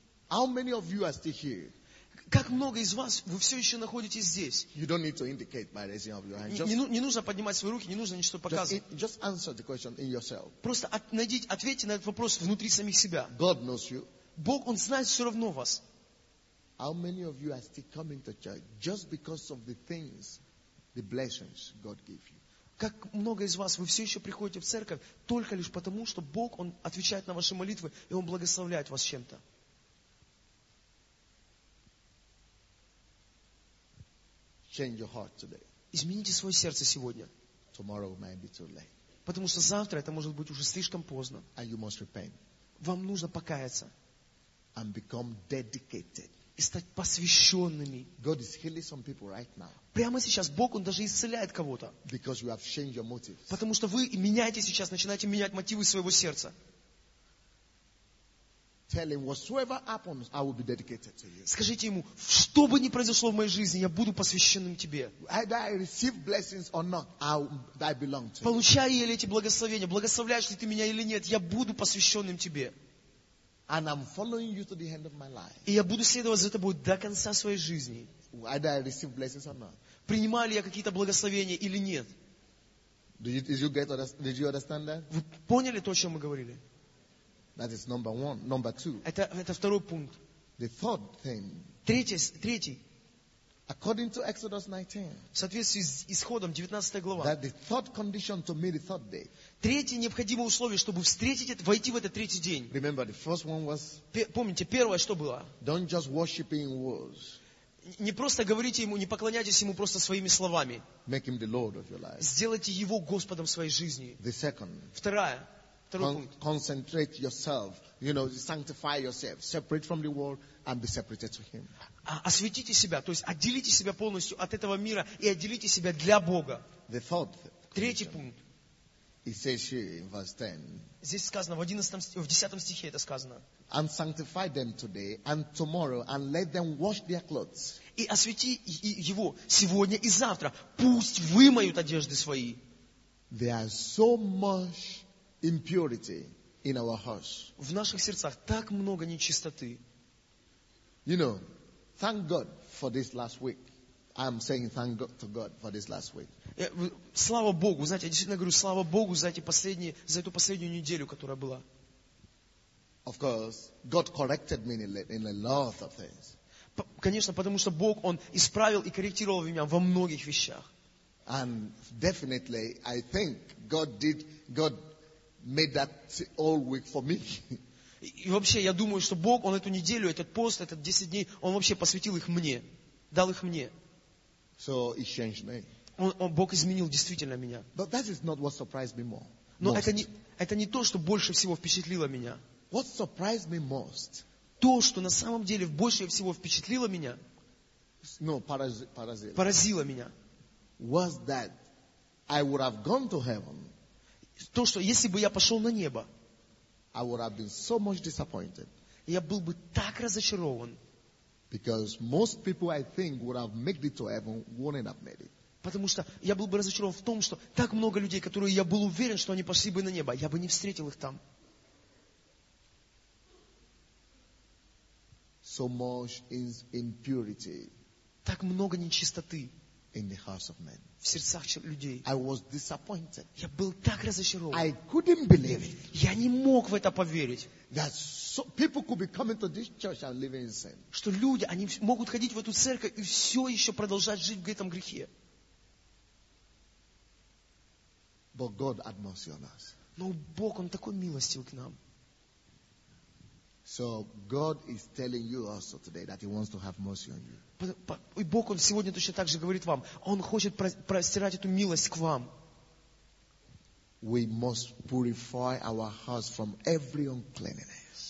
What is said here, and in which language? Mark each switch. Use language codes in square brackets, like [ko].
[en] How many of you are still here? [ru] Как много из вас, вы все еще находитесь здесь? [en] You don't need to indicate by raising of your hand. [ru] Не нужно поднимать свои руки, не нужно ничего показывать. [en] Just answer the question in yourself. [ru] Просто ответьте на этот вопрос внутри самих себя. [en] God knows you. [ru] Бог, Он знает все равно вас. [en] How many of you are still coming to church just because of the things, the blessings God gave you? [ru] Как много из вас, вы все еще приходите в церковь только лишь потому, что Бог, Он отвечает на ваши молитвы, и Он благословляет вас чем-то. [en] Change your heart today. [ru] Измените свое сердце сегодня. [en] Tomorrow might be too late. [ru] Потому что завтра это может быть уже слишком поздно. [en] And you must repent. [ru] Вам нужно покаяться. [en] And become dedicated. [ru] И стать посвященными. [en] God is healing some people right now. [ru] Прямо сейчас Бог, Он даже исцеляет кого-то. [en] Because you have changed your motives. [ru] Потому что вы меняете сейчас, начинаете менять мотивы своего сердца. [en] Tell him, whatsoever happens, I will be dedicated to you. [ru] Скажите ему, что бы ни произошло в моей жизни, я буду посвященным тебе. [en] Either I receive blessings or not, I belong to you. [ru] Получаю ли эти благословения, благословляешь ли ты меня или нет, я буду посвященным тебе. [en] And I'm following you to the end of my life. [ru] И я буду следовать за тобой до конца своей жизни. [en] Either I receive blessings or not. [ru] Принимаю ли я какие-то благословения или нет? [en] Did you understand that? [ru] Вы поняли то, о чем мы говорили? [en] That is number one. Number two. [ru] Это второй пункт. [en] The third thing. [ru] Третий. [en] According to Exodus 19. [ru] В соответствии с Исходом 19 глава. [en] That the third condition to meet the third day. [ru] Третье необходимое условие, чтобы войти в этот третий день. [en] Remember, the first one was. [ru] Помните, первое, что было. [en] Don't just worship in words. [ru] Не просто говорите ему, не поклоняйтесь ему просто своими словами. [en] Make him the Lord of your life. [ru] Сделайте его Господом своей жизни. [en] The second. [ru] Вторая. [en] Concentrate yourself, you know, sanctify yourself, separate from the world and be separated to Him. [ru] Освятите себя, то есть отделите себя полностью от этого мира и отделите себя для Бога. [en] The third. [ru] Третий пункт. [en] It says here in verse 10. [ru] Здесь сказано в 10 стихе это сказано. [en] And sanctify them today and tomorrow, and let them wash their clothes. [ru] И освяти его сегодня и завтра, пусть вымоют одежды свои. [en] There is so much impurity in our hearts. [ru] В наших сердцах так много нечистоты. [en] You know, thank God for this last week. I'm saying thank God to God for this last week. [ru] Слава Богу, знаете, я действительно говорю слава Богу за эту последнюю неделю, которая была. [en] Of course, God corrected me in a lot of things. [ru] Конечно, потому что Бог, Он исправил и корректировал меня во многих вещах. [en] And definitely, I think God made that all week for me. [ru] И вообще, я думаю, что Бог, Он эту неделю, этот пост, этот 10 дней, Он вообще посвятил их мне. Дал их мне. [en] So he changed me. [ru] Бог изменил действительно меня. [en] But that is not what surprised me more. [ru] Но это не то, что больше всего впечатлило меня. [en] What surprised me most? [ru] То, что на самом деле больше всего впечатлило меня. [en] No, [ru] поразило. Поразило меня. [en] Was that I would have gone to heaven. [ru] То, что если бы я пошел на небо, [en] I would have been so much disappointed. [ru] Я был бы так разочарован. [en] Because most people, I think, would have made it to heaven, wouldn't have made it. [ru] Потому что я был бы разочарован в том, что так много людей, которые я был уверен, что они пошли бы на небо, я бы не встретил их там. [en] So much impurity. [ru] Так много нечистоты. [en] In the hearts of men. [ru] В сердцах людей. [en] I was disappointed. [ru] Я был так разочарован. [en] I couldn't believe it. [ru] Я не мог в это поверить. [en] That people could be coming to this church and living in sin. [ru] Что люди, они могут ходить в эту церковь и все еще продолжать жить в этом грехе. [en] But God had mercy on us. [ru] Но Бог, Он такой милостив к нам. [en] So God is telling you also today that He wants to have mercy on you. [ru] И Бог, Он сегодня точно так же говорит вам. Он хочет простирать эту милость к вам. [en] We must purify our hearts from every uncleanness.